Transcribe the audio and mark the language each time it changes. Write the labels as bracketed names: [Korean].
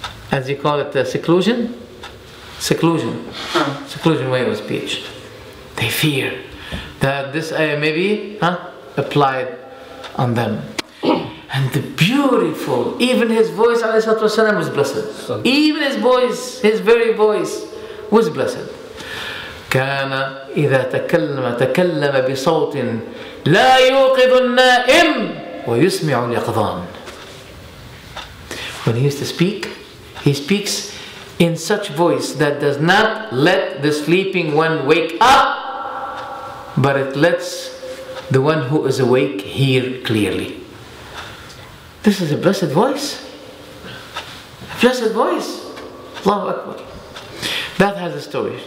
[English] as you call it, seclusion? Seclusion. Seclusion way of speech. They fear that this ayah may be applied on them. And the beautiful, even his voice, alayhi salatu wasalam, was blessed. Even his voice, his very voice, was blessed. [Arabic] كان إذا تكلم تكلم بصوت لا يوقظ النائم ويسمع اليقظان. [English] When he used to speak, he speaks in such voice that does not let the sleeping one wake up, but it lets the one who is awake hear clearly. This is a blessed voice. A blessed voice. Allahu Akbar. That has a story.